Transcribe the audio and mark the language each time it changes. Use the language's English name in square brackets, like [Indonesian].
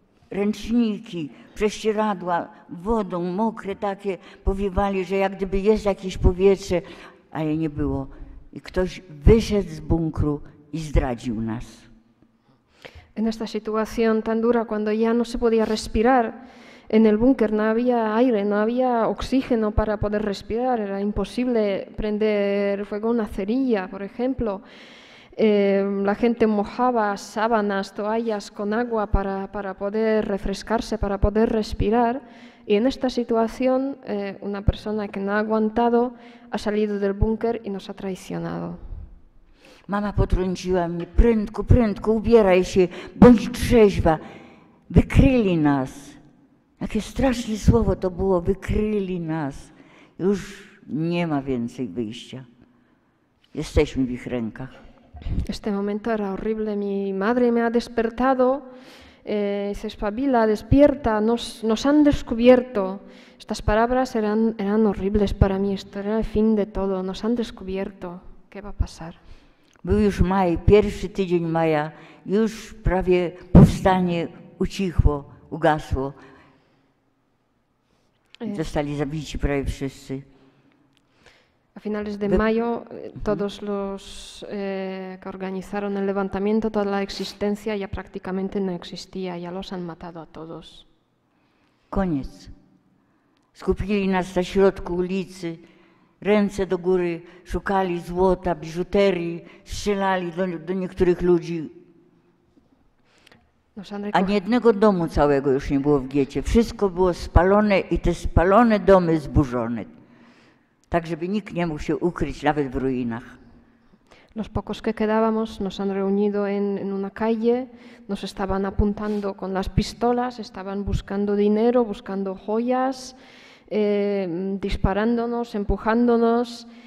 [Polish] Ręczniki, prześcieradła, wodą mokre takie powiewali, że jak gdyby jest jakieś powietrze, a je nie było. I ktoś wyszedł z bunkru i zdradził nas. [Spanish] En esta situación tan dura, cuando ya no se podía respirar en el búnker, no había aire, no había oxígeno para poder respirar, era imposible prender fuego una cerilla, por ejemplo. La gente mojaba sábanas, toallas con agua para poder refrescarse, para poder respirar. Y en esta situación, una persona que no ha aguantado ha salido del búnker y nos ha traicionado. [Polish] Mama potrąciła mnie, prędko, prędko, ubieraj się, bądź trzeźwa. Wykryli nas. Jakie straszne słowo to było, wykryli nas. Już nie ma więcej wyjścia. Jesteśmy w ich rękach. [Spanish] Este momento era horrible. Mi madre me ha despertado. Se espabila, despierta, nos han descubierto. Estas palabras eran horribles para mí. Esto era el fin de todo. Nos han descubierto. ¿Qué va a pasar? [Polish] Był już maj, pierwszy tydzień maja. Już prawie powstanie ucichło, ugasło. Zostali zabici prawie wszyscy. [Spanish] A finales de mayo, todos los que organizaron el levantamiento, toda la existencia ya prácticamente no existía, ya los han matado a todos. [Polish] Koniec. Skupili nas na środku ulicy, ręce do góry, szukali złota, biżuterii, strzelali do niektórych ludzi. Ani jednego domu całego już nie było w getcie. Wszystko było spalone i te spalone domy zburzone. Tak, żeby nikt nie mógł się ukryć, nawet w ruinach. [Spanish] Los pocos que quedábamos nos han reunido en una calle, nos estaban apuntando con las pistolas, estaban buscando dinero, buscando joyas, disparándonos, empujándonos.